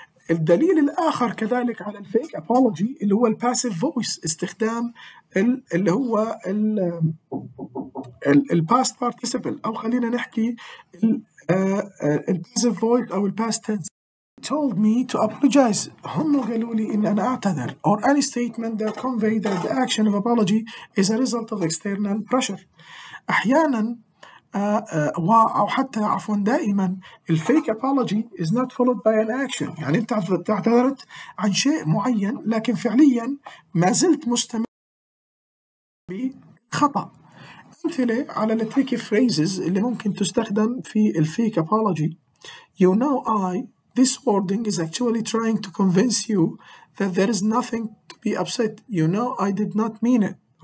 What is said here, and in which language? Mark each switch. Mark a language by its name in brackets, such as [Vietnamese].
[Arabic] الدليل الآخر كذلك على الفيك apology اللي هو الباسيف فويس، استخدام اللي هو الباست بارتيسيبل، أو خلينا نحكي الباسيف فويس أو الباست تنس. [English] told me to apologize، [Arabic] هم قالوا لي إن أنا أعتذر. [English] or any statement that convey that the action of apology is a result of external pressure. [Arabic] أحياناً أو حتى عفوا دائما الفيك apology [English] is not followed by an action، [Arabic] يعني انت اعتذرت عن شيء معين لكن فعليا ما زلت مستمر بخطأ. مثل على التريكي phrases اللي ممكن تستخدم في الفيك [English] apology: you know I this wording is actually trying to convince you that there is nothing to be upset، you know I did not mean it.